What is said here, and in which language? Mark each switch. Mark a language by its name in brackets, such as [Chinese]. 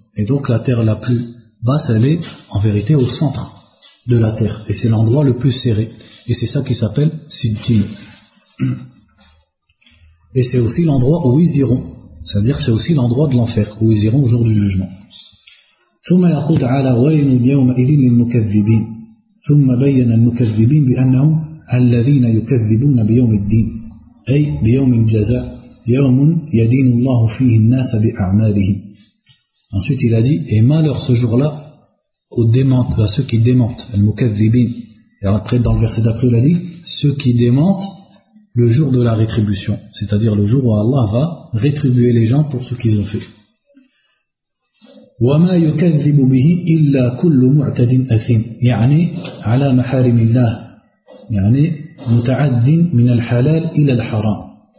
[French] Et donc la terre la plus basse elle est en vérité au centre de la terre, et c'est l'endroit le plus serré, et c'est ça qui s'appelle Sidjin. Et c'est aussi l'endroit où ils iront, c'est-à-dire c'est aussi l'endroit de l'enfer où ils iront au jour du jugement. [Arabic] ثم يقول تعالى ويل يومئذ للمكذبين ثم بين المكذبين بأنهم الذين يكذبون بيوم الدين أي بيوم الجزاء يوم يدين الله فيه الناس بأعمالهم. [French] Ensuite il a dit et malheur ce jour-là aux démentes, à ceux qui démentent, les mukaththibin. Et après dans le verset d'après il a dit ceux qui démentent le jour de la rétribution, c'est-à-dire le jour où Allah va rétribuer les gens pour ce qu'ils ont fait. [Arabic] وما يكذب به إلا كل معتد أثيم يعني على محارم الله يعني متعد من الحلال إلى الحرام.